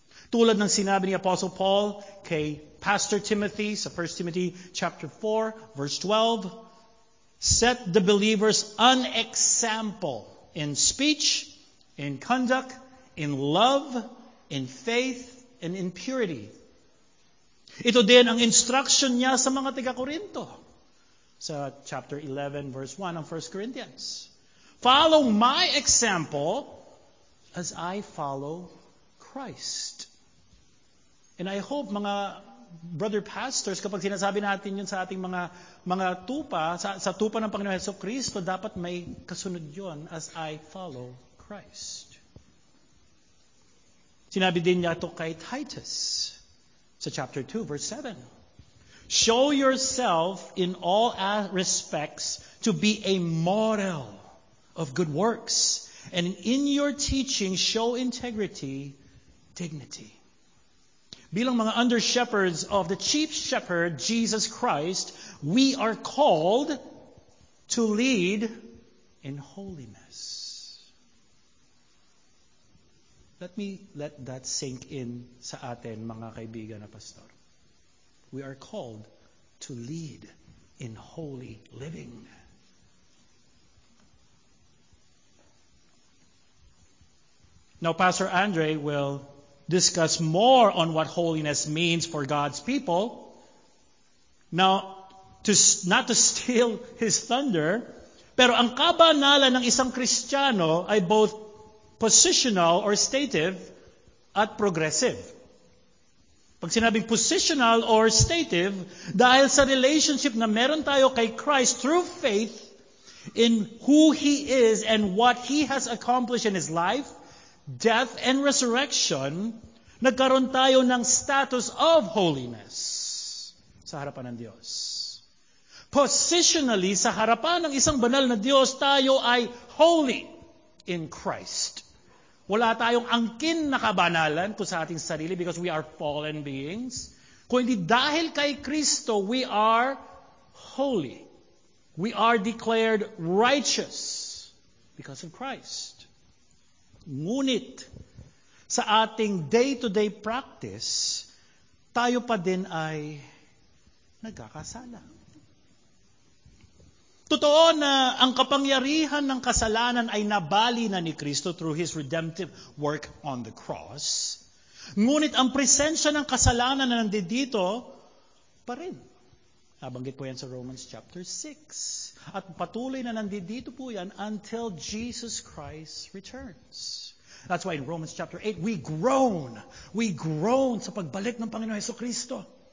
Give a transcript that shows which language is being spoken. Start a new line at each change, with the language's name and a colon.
English: Tulad ng sinabi ni Apostle Paul kay Pastor Timothy sa 1 Timothy chapter 4, verse 12, set the believers an example in speech, in conduct, in love, in faith, and in purity.
Filipino: Ito din ang instruction niya sa mga taga-Korinto.
English: Sa chapter 11, verse 1 of 1 Corinthians. Follow my example as I follow Christ.
Filipino: And I hope, mga brother pastors, kapag sinasabi natin yun sa ating mga tupa, sa tupa ng Panginoon Jesus Cristo, dapat may kasunod yun as I follow Christ. Sinabi din niya ito kay Titus sa chapter 2, verse 7.
English: Show yourself in all respects to be a model of good works. And in your teaching, show integrity, dignity. Bilang mga under-shepherds of the chief shepherd, Jesus Christ, we are called to lead in holiness. Let me let that sink in sa atin, mga kaibigan na pastor. We are called to lead in holy living. Now, Pastor Andre will discuss more on what holiness means for God's people. Now, not to steal his thunder, pero ang kabanalan ng isang Kristiyano ay both positional or stative at progressive.
Filipino: Pag sinabing positional or stative, dahil sa relationship na meron tayo kay Christ through faith,
English: in who he is and what he has accomplished in his life, death, and resurrection, nagkaroon tayo ng status of holiness sa harapan ng Diyos.
Filipino: Positionally, sa harapan ng isang banal na Diyos, tayo ay holy in Christ. Wala tayong angkin na kabanalan kung sa ating sarili because we are fallen beings. Kundi dahil kay Kristo, we are holy.
English: We are declared righteous because of Christ.
Filipino: Ngunit, sa ating day-to-day practice, tayo pa din ay nagkakasala. Totoo na ang kapangyarihan ng kasalanan ay nabali na ni Kristo through His redemptive work on the cross. Ngunit ang presensya ng kasalanan na nandito pa rin. Nabanggit po yan sa Romans chapter 6. At patuloy na nandito po yan until Jesus Christ returns.
English: That's why in Romans chapter 8, we groan.
Filipino: We groan sa pagbalik ng Panginoon Hesus Kristo.